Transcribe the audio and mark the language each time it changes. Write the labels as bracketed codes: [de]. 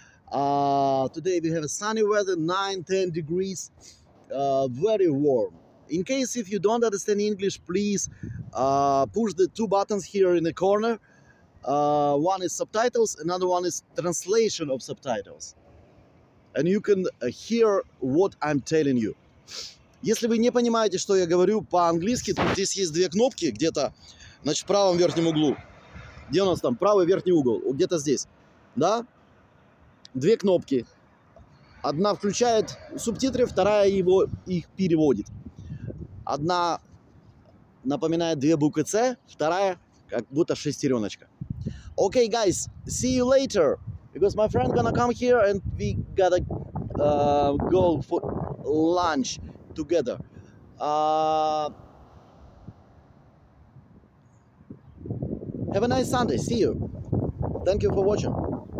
[en] Today we have a sunny weather, 9-10 degrees, very warm. In case if you don't understand English, please push the two buttons here in the corner. One is subtitles, another one is translation of subtitles. And you can hear what I'm telling you. [ru] Если вы не понимаете, что я говорю по-английски, то здесь есть две кнопки где-то, значит, в правом верхнем углу. Где у нас там? Правый верхний угол. Где-то здесь. Да? Две кнопки. Одна включает субтитры, вторая его их переводит. Одна напоминает две буквы С, вторая как будто шестереночка. [en] Okay, guys, see you later. Because my friend gonna come here and we gotta go for lunch together. Have a nice Sunday. See you. Thank you for watching.